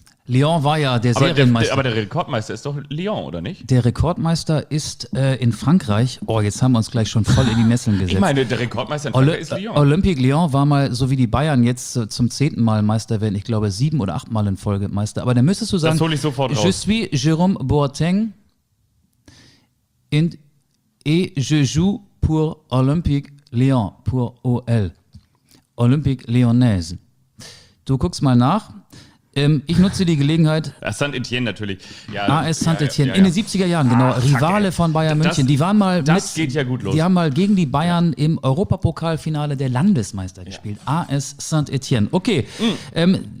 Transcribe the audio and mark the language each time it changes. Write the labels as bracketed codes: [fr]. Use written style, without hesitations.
[de] Lyon war ja der Serienmeister. Aber der Rekordmeister ist doch Lyon, oder nicht? Der Rekordmeister ist in Frankreich. Oh, jetzt haben wir uns gleich schon voll in die Nesseln gesetzt. Ich meine, der Rekordmeister in Frankreich ist Lyon. Olympique Lyon war mal, so wie die Bayern jetzt zum 10. Mal Meister werden. Ich glaube, 7 oder 8 Mal in Folge Meister. Aber dann müsstest du sagen, das hole ich sofort raus. [fr] Je suis Jérôme Boateng et je joue pour Olympique Lyon, pour OL. [de] Olympique Lyonnaise. Du guckst mal nach. Ich nutze die Gelegenheit. Saint-Étienne natürlich. Ja, AS Saint-Étienne. Ja. In den 70er Jahren, genau. Ah, Rivale von Bayern München. Das, die waren mal. Das geht ja gut los. Die haben mal gegen die Bayern im Europapokalfinale der Landesmeister gespielt. Ja. AS Saint-Étienne. Okay. Mhm.